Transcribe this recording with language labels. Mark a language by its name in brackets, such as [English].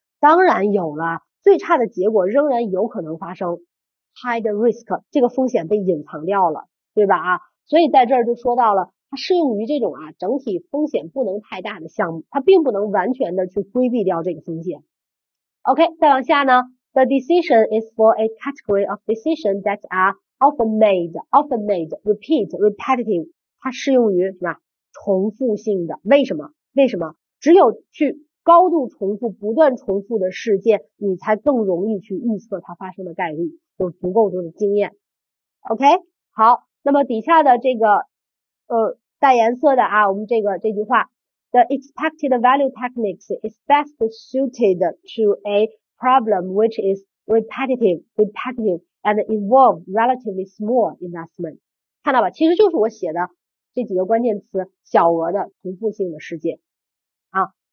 [Chinese] 当然有了，最差的结果仍然有可能发生， hide risk， 这个风险被隐藏掉了，对吧啊？所以在这儿就说到了，它适用于这种啊整体风险不能太大的项目，它并不能完全的去规避掉这个风险。 [English] OK， 再往下呢， The decision is for a category of decision that are often made repetitive， [Chinese] 它适用于什么重复性的。为什么只有去高度重复不断重复的事件，你才更容易去预测它发生的概率，有足够多的经验。 OK， 好，那么底下的这个带颜色的啊，我们这句话， [English] The expected value techniques is best suited to a problem which is repetitive and involve relatively small investment， [Chinese] 看到吧，其实就是我写的这几个关键词，小额的重复性的事件啊。